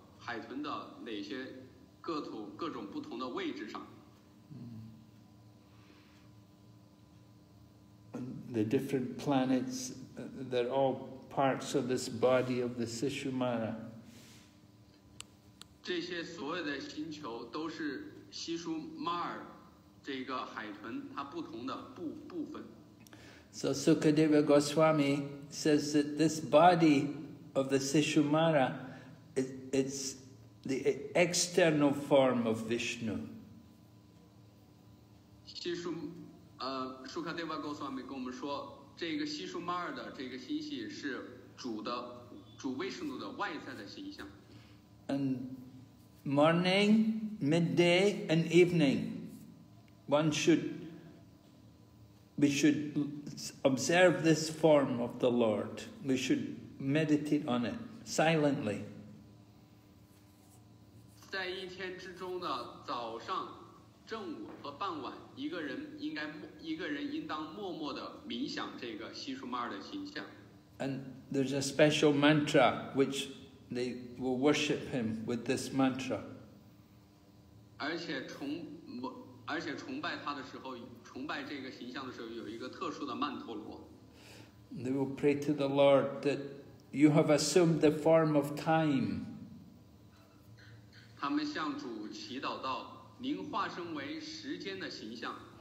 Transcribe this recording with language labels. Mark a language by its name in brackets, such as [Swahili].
[Chinese] 海豚的哪些各土各种不同的位置上 [English] ？The different planets, they're all parts of this body of the Sishumara. [Chinese] 这些所有的星球都是西舒马尔这个海豚它不同的部分。 [English] So Sukadeva Goswami says that this body of the Sishumara, it's the external form of Vishnu. [Chinese] Sukadeva Goswami 跟我们说，这个西舒马尔的这个星系是主 Vishnu 的外在的形象。 [English] And morning, midday, and evening, we should observe this form of the Lord. We should meditate on it silently. [Chinese] 在一天之中的早上、正午和傍晚，一个人应当默默地冥想这个西舒玛尔的形象。 [English] And there's a special mantra which they will worship him with this mantra. [Chinese] 而且崇拜这个形象的时候，有一个特殊的曼陀罗。 [English] They will pray to the Lord that you have assumed the form of time. [Chinese] 他们向主祈祷道，您化身为时间的形象。